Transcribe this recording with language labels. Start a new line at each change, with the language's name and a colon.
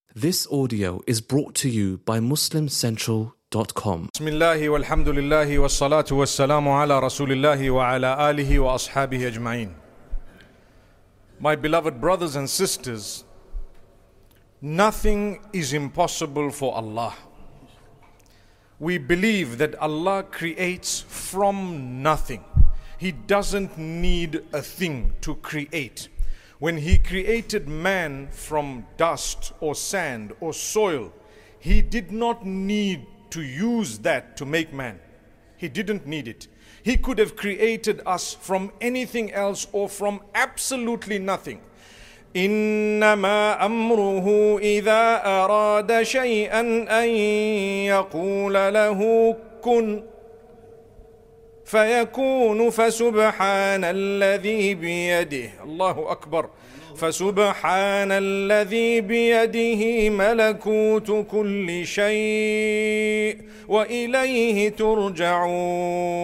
English: This audio is brought to you by MuslimCentral.com.
Arabic: بسم الله والحمد لله والصلاة والسلام على رسول الله وعلى آله وأصحابه أجمعين.
English: My beloved brothers and sisters, nothing is impossible for Allah. We believe that Allah creates from nothing. He doesn't need a thing to create. When He created man from dust or sand or soil, He did not need to use that to make man. He didn't need it. He could have created us from anything else or from absolutely nothing.
Arabic: إِنَّمَا أَمْرُهُ إِذَا أَرَادَ شَيْئًا أَن يَقُولَ لَهُ كُنْ فَيَكُونُ فَسُبْحَانَ الَّذِي بِيَدِهِ الله أكبر فَسُبْحَانَ الَّذِي بِيَدِهِ مَلَكُوتُ كُلِّ شَيْءٍ وَإِلَيْهِ تُرْجَعُونَ